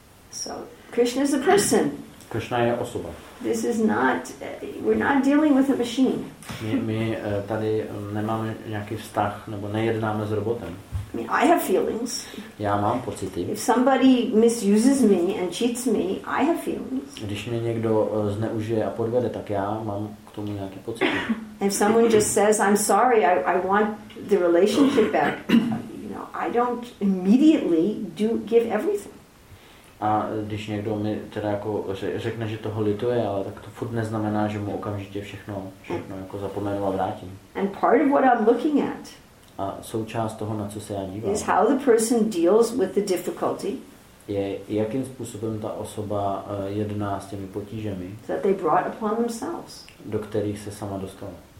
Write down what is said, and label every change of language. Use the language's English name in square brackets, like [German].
[English] So Krishna is a person. [Czech] Krishna je osoba. [English] This is not, we're not dealing with a machine. [Czech] My tady nemáme nějaký vztah nebo nejednáme s robotem. [English] I mean, I have feelings. [Czech] Já mám pocity. [English] If somebody misuses me and cheats me, I have feelings. [Czech] Když mě někdo zneužije a podvede, tak já mám k tomu nějaký pocit. [English] If someone just says I'm sorry, I want the relationship back. I don't immediately do give everything. [Czech] A když někdo mi teda jako řekne, že toho lituje, ale tak to furt neznamená, že mu okamžitě všechno jako zapomenu a vrátím. [English] And part of what I'm looking at. [Czech] a součást toho, na co se já dívám. [English] Is how the person deals with the difficulty. [Czech] Je, jakým způsobem ta osoba jedná s těmi potížemi, [English] that they brought upon themselves. [Czech] Do kterých se sama dostala.